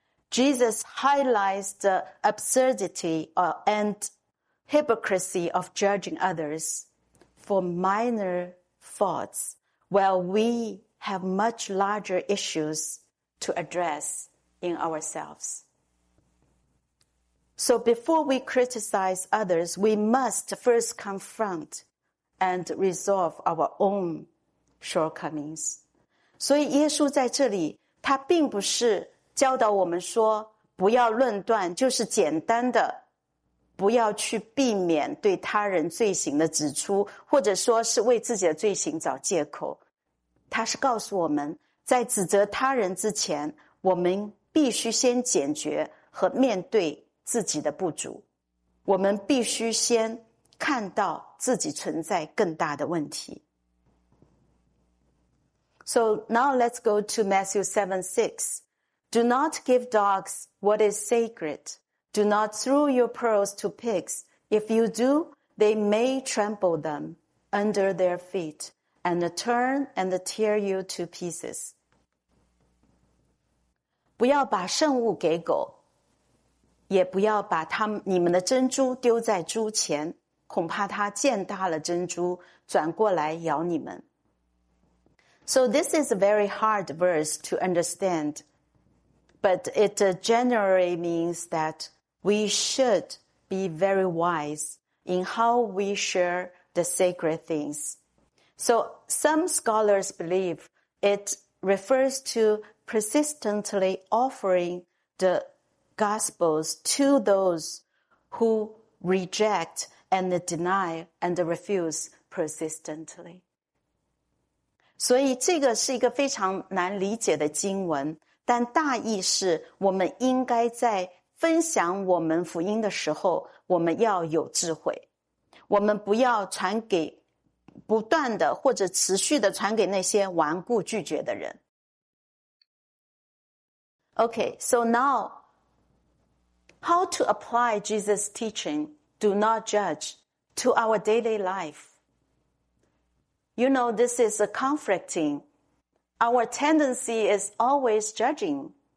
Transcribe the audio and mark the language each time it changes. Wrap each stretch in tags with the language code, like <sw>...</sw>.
<en>Jesus highlights the absurdity and hypocrisy of judging others for minor faults, while we have much larger issues to address in ourselves. So before we criticize others, we must first confront and resolve our own shortcomings.</en> <zh>所以耶稣在这里，他并不是教导我们说不要论断，就是简单的不要去避免对他人罪行的指出，或者说是为自己的罪行找借口。他是告诉我们，在指责他人之前，我们必须先解决和面对自己的不足。我们必须先看到自己存在更大的问题。</zh> <en>So now let's go to Matthew 7:6. Do not give dogs what is sacred. Do not throw your pearls to pigs. If you do, they may trample them under their feet and turn and tear you to pieces.</en> <zh>不要把圣物给狗，也不要把你们的珍珠丢在猪前，恐怕它践踏了珍珠，转过来咬你们。</zh> <en>So this is a very hard verse to understand, but it generally means that we should be very wise in how we share the sacred things. So some scholars believe it refers to persistently offering the gospels to those who reject and deny and refuse persistently.</en> <zh>所以这个是一个非常难理解的经文，但大意是我们应该在分享我们福音的时候，我们要有智慧。我们不要传给不断的或者持续的传给那些顽固拒绝的人。</zh> <en>Okay, so now, how to apply Jesus' teaching, do not judge, to our daily life? You know, this is a conflicting. Our tendency is always judging.</en>